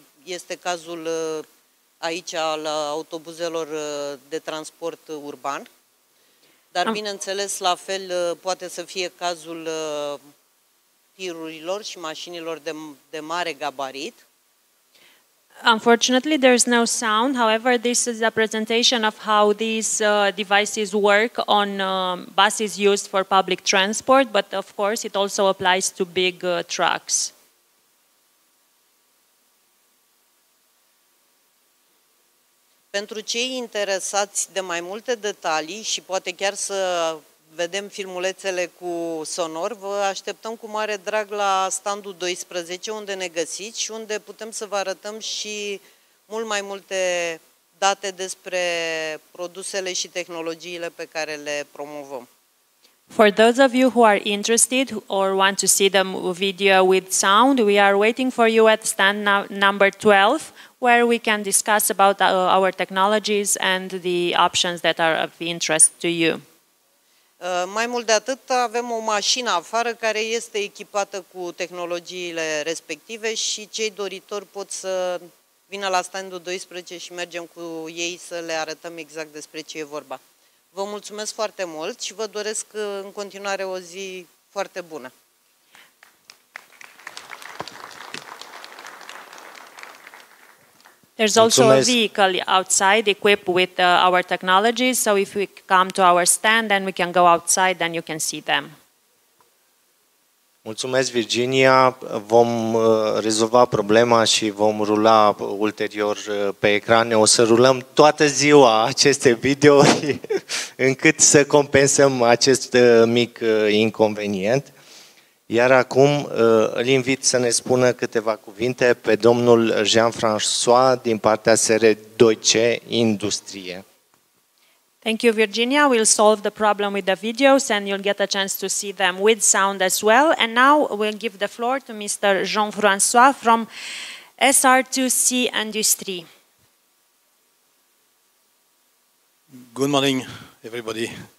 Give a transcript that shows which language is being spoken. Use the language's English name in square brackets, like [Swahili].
[Romanian] Este cazul aici al autobuzelor de transport urban. Dar bineînțeles, la fel poate să fie cazul tirurilor și mașinilor de mare gabarit. [English] Unfortunately, there is no sound. However, this is a presentation of how these devices work on buses used for public transport, but of course it also applies to big trucks. [Romanian] Pentru cei interesați de mai multe detalii și poate chiar să vedem filmulețele cu sonor, vă așteptăm cu mare drag la standul 12, unde ne găsiți și unde putem să vă arătăm și mult mai multe date despre produsele și tehnologiile pe care le promovăm. [English] For those of you who are interested or want to see the video with sound, we are waiting for you at stand number 12, where we can discuss about our technologies and the options that are of interest to you. [Romanian] Mai mult de atât, avem o mașină afară care este echipată cu tehnologiile respective și cei doritori pot să vină la standul 12 și mergem cu ei să le arătăm exact despre ce e vorba. Vă mulțumesc foarte mult și vă doresc în continuare o zi foarte bună. [English] There's also a vehicle outside equipped with our technologies, so if we come to our stand, then we can go outside and you can see them. [Romanian] Mulțumesc, Virginia. Vom rezolva problema și vom rula ulterior pe ecrane. O să rulăm toată ziua aceste videouri încât să compensăm acest mic inconvenient. Iar acum îl invit să ne spună câteva cuvinte pe domnul Jean-François din partea SR2C Industrie. [English] Thank you, Virginia. We'll solve the problem with the videos and you'll get a chance to see them with sound as well. And now we'll give the floor to Mr. Jean-François from SR2C Industry. Good morning, everybody.